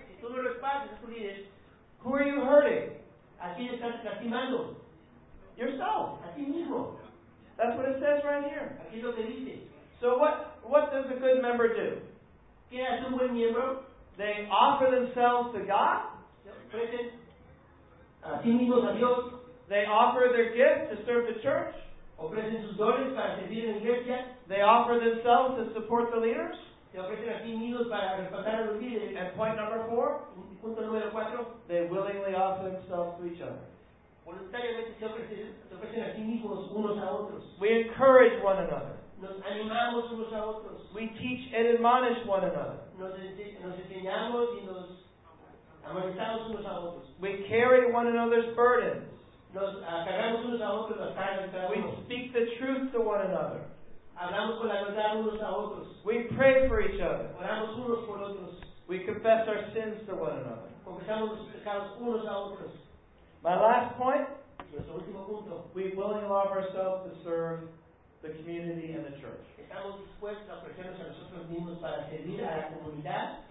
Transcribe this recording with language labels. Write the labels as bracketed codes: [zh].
[es] si tú no respaldas a tus líderes, [en] who are you hurting? [es] ¿A quién estás lastimando? [en] Yourself. [es] A ti mismo. [en] That's what it says right here. [es] Aquí lo que dice. [en] So what does a good member do? [es] ¿Qué hace un buen miembro? [en] They offer themselves to God. [es] Amen. A sí mismos a Dios. [en] They offer their gifts to serve the church. [es] Ofrecen sus dones para servir en la iglesia. [en] They offer themselves to support the leaders. [es] Se ofrecen a sí mismos para respaldar a los líderes. [en] And point number four. [es] Punto número cuatro. [en] They willingly offer themselves to each other. [es] Voluntariamente se ofrecen a sí mismos unos a otros. [en] We encourage one another. [es] Nos animamos unos a otros. [en] We teach and admonish one another. [es] Nos enseñamos y nos amonestamos unos a otros. [en] We carry one another's burdens. [es] Nos cargamos unos a otros las cargas cada uno. [en] We speak the truth to one another. [es] Hablamos con la verdad unos a otros. [en] We pray for each other. [es] Oramos unos por otros. [en] We confess our sins to one another. [es] Confesamos nuestros pecados unos a otros. [en] My last point. [es] Nuestro último punto. [en] We willingly offer ourselves to serve the community and the church. [es] Estamos dispuestos a ofrecernos a nosotros mismos para servir a la comunidad.